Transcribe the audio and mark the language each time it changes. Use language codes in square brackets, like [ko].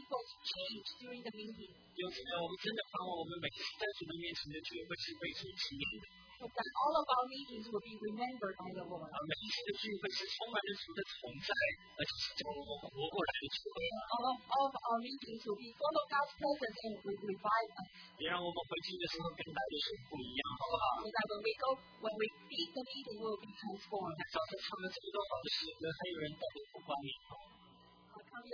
[zh] 有时候我们真的盼望我们每次在主的面前的聚会是被主纪念的。 [en] That all of our meetings will be remembered by the Lord. [zh] 每一次的聚会是充满着主的同在，而且是叫我们活过来的聚会。 [en] All of our meetings will be full of God's presence and will revive us. [zh] 别让我们回去的时候跟来的时候不一样，好不好？ [en] So that when we meet the meeting, we will be transformed. [zh] 在早上唱了这么多好的诗歌，还有人带着不欢迎。